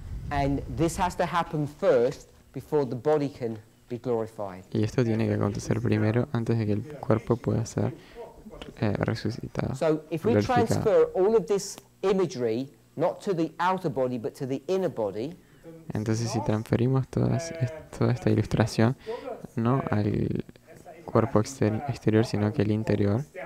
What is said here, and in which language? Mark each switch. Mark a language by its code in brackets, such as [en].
[en] And this has to happen first before the body can be glorified. [es] Y esto tiene que acontecer primero antes de que el cuerpo pueda ser resucitado. [en] So if we transfer all of this imagery not to the outer body but to the inner body. [es] Entonces si transferimos toda esta ilustración no al cuerpo exterior, sino que el interior.